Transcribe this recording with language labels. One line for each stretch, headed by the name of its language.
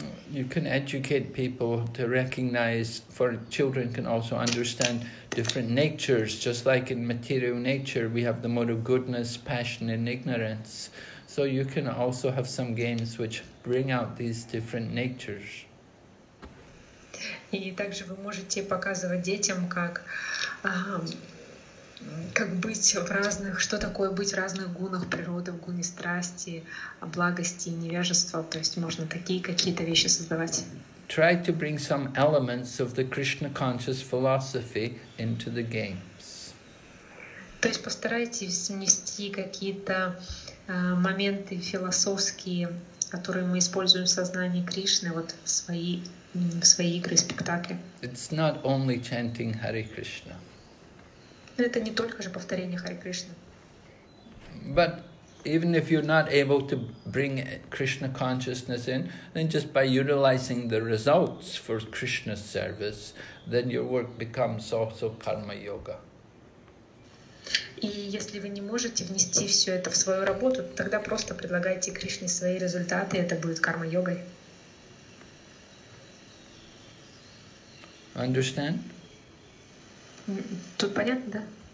English: You can educate people to recognize, for children can also understand different natures, just like in material nature, we have the mode of goodness, passion and ignorance. So you can also have some games which bring out these different natures.
Russian: И также вы можете показывать детям, как быть в разных, что такое быть в разных гунах природы, в гуне страсти, благости и невежества. То есть можно такие какие-то вещи создавать.
English: Try to bring some elements of the Krishna conscious philosophy into the games.
Russian: То есть постарайтесь внести какие-то моменты философские, которые мы используем в сознании Кришны, вот в свои игры, спектакли.
English: It's not only chanting Hare Krishna.
Russian: Это не только же повторение Харе Кришны.
English: But even if you're not able to bring Krishna consciousness in, then just by utilizing the results for Krishna's service, then your work becomes also karma yoga.
Russian: И если вы не можете внести все это в свою работу, тогда просто предлагайте Кришне свои результаты, это будет карма-йогой.
English: Understand?
Russian: Тут понятно, да?